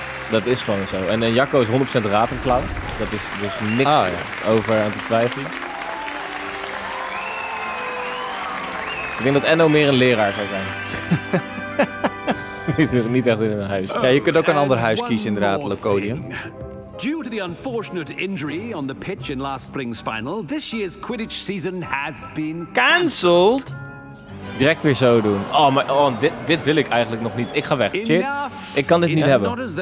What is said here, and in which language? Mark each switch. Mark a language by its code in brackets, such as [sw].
[nl] Dat is gewoon zo. En Jacco is 100% Ravenclaw. Dat is dus niks over aan te twijfelen. Ik denk dat Enno meer een leraar zou zijn. Die zit niet echt in een huis. Oh, ja, je kunt ook een ander huis kiezen inderdaad, Locodium. [en] Due to the unfortunate injury on the pitch in last spring's final, this year's Quidditch season has been cancelled. [nl] Direct weer zo doen. Oh, maar dit wil ik eigenlijk nog niet. Ik ga weg, Tjeerd. Ik kan dit niet hebben.